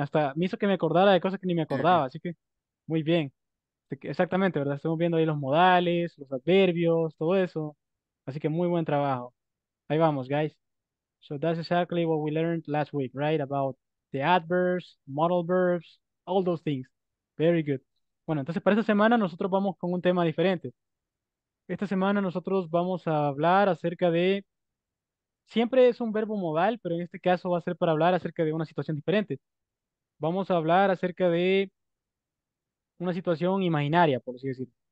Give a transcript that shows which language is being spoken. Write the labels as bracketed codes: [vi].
[es] Hasta me hizo que me acordara de cosas que ni me acordaba. Así que, muy bien. Exactamente, ¿verdad? Estamos viendo ahí los modales, los adverbios, todo eso. Así que, muy buen trabajo. Ahí vamos, guys. [en] So, that's exactly what we learned last week, right? About the adverbs, modal verbs, all those things. Very good. [es] Bueno, entonces para esta semana nosotros vamos con un tema diferente. Esta semana nosotros vamos a hablar acerca de, siempre es un verbo modal, pero en este caso va a ser para hablar acerca de una situación diferente. Vamos a hablar acerca de una situación imaginaria, por así decirlo.